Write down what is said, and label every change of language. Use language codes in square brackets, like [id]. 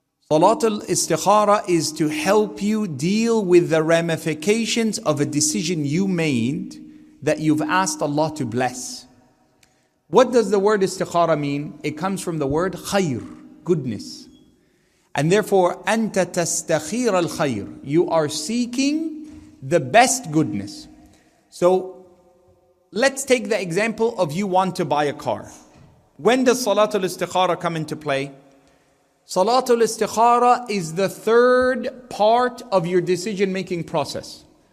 [en] Salatul Istikhara is to help you deal with the ramifications of a decision you made that you've asked Allah to bless. What does the word Istikhara mean? It comes from the word khayr, goodness. [ar] And therefore, أنت تستخير الخير. [en] You are seeking the best goodness. So, let's take the example of you want to buy a car. When does Salatul Istikhara come into play? Salatul Istikhara is the third part of your decision-making process.